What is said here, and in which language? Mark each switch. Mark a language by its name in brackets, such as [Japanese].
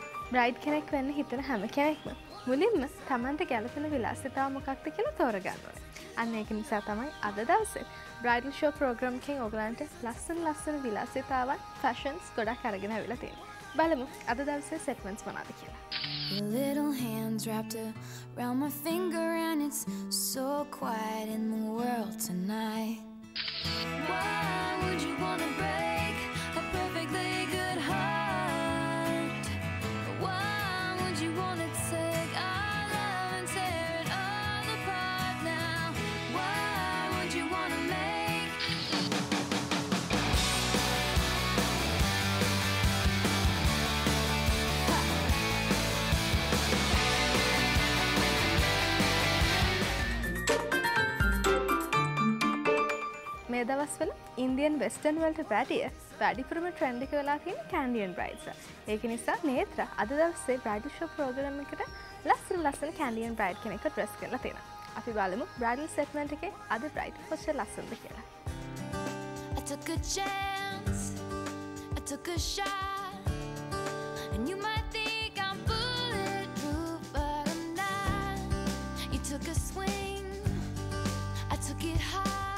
[Sinhala] Bride කෙනෙක් වෙන්න හිතන හැම කෙනෙක්ම මුලින්ම තමන්ට ගැළපෙන විලාසිතාව මොකක්ද කියලා තෝරගන්න ඕනේ. අන්න ඒක නිසා තමයි අද දවසේ බ්‍රයිඩල් ෂෝ ප්‍රෝග්‍රෑම් එකෙන් ඔගලන්ට ලස්සන ලස්සන විලාසිතාවන් ෆැෂන්ස් ගොඩක් අරගෙන ඇවිල්ලා තියෙන්නේ. බලමු අද දවසේ සෙග්මන්ට්ස් මොනවද කියලා. [English] Your little hands wrapped around my finger and it's so quiet in the world tonight. Why would you wanna break a perfectly good heart? Why would you wanna take our love and tear it all apart now? Why would you wanna make [Sinhala] මේ දවස්වල Indian western වලට වැඩිය වැඩිපුරම trend එක වෙලා තියෙන Canadian බ්‍රයිඩ්ස්. ඒක නිසා නේත්‍ර අද දවසේ බ්‍රයිඩල් ෂෝ ප්‍රෝග්‍රෑම් එකට ලස්සන ලස්සන කැන්ඩියන් බ්‍රයිඩ් කෙනෙක්ව ඩ්‍රෙස් කරලා තියෙනවා. අපි බලමු බ්‍රයිඩල් සෙග්මන්ට් එකේ අද බ්‍රයිඩ් කොච්චර ලස්සනද කියලා. [English] I took a chance, I took a shot, and you might think I'm bulletproof, but I'm not. You took a swing, I took it high.